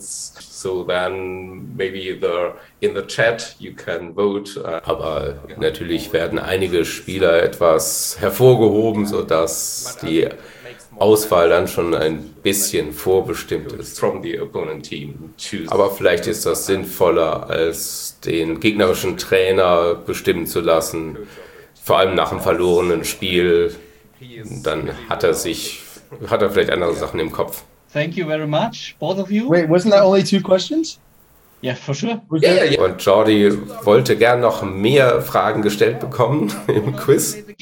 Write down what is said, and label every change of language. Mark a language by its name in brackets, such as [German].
[English] So then maybe in the chat you can vote. [German] Aber natürlich werden einige Spieler etwas hervorgehoben, sodass die Auswahl dann schon ein bisschen vorbestimmt ist. [English] From the opponent team. [German] Aber vielleicht ist das sinnvoller, als den gegnerischen Trainer bestimmen zu lassen. Vor allem nach einem verlorenen Spiel. Dann hat er vielleicht andere Sachen im Kopf. [English] Thank you very much, both of you. Wait, wasn't that only two questions? Yeah, for sure. Yeah. [German] Und Jordi wollte gern noch mehr Fragen gestellt bekommen im Quiz.